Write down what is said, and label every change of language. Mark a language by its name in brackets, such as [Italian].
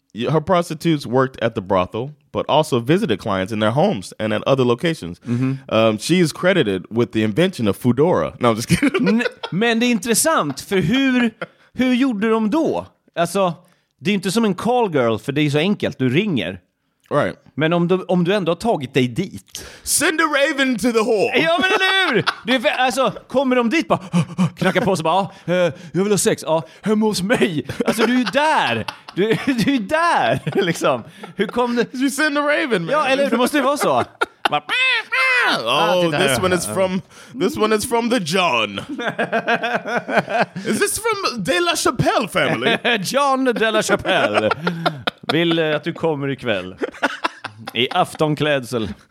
[English] Her prostitutes worked at the brothel, but also visited clients in their homes and at other locations. Mm-hmm. She is credited with the invention of Fudora. No, I'm just kidding. [Swedish] Men det är intressant, för hur gjorde de då? Alltså, det är inte som en call girl, för det är så enkelt. Du ringer. [English] Right. [Swedish] Men om du ändå har tagit dig dit. [English] Send a raven to the hall. [Swedish] Ja, men eller hur? Alltså, kommer de dit bara, knackar på sig bara, jag vill ha sex. Ja, hemma hos mig. Alltså, du är ju där. Du är där, liksom. Hur kom det? [English] You send a raven, man. [Swedish] Ja, eller hur? Det måste ju vara så. Bara, [English] oh, this one is from the John. Is this from De La Chapelle family? [Swedish] John De La Chapelle vill att du kommer ikväll i aftonklädsel.